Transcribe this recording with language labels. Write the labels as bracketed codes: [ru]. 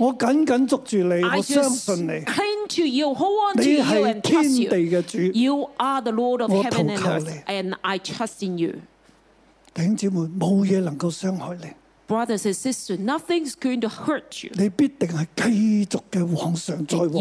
[yue] 我紧紧捉住你，我相信你。 [en] I cling to you, hold on to you, and trust you. [yue] 你系天地嘅主。 [en] You are the Lord of heaven and earth, and I trust in you. [yue] 弟兄姊妹，冇嘢能够伤害你。 [en] Brothers and sisters, nothing is going to hurt you. [yue] 你必定系继续嘅往上再往上。